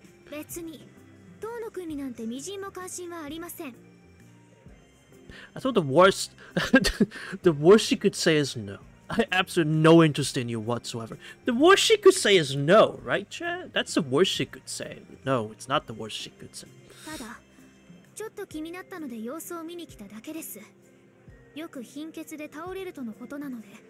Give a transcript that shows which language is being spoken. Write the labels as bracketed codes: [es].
[ja] 別に、トーノ君になんてみじんも関心はありません。 [en] I thought the worst she could say is no. I absolutely no interest in you whatsoever. The worst she could say is no, right, Chad? That's the worst she could say. No, it's not the worst she could say. [ja] ただ、ちょっと気になったので様子を見に来ただけです。よく貧血で倒れるとのことなので。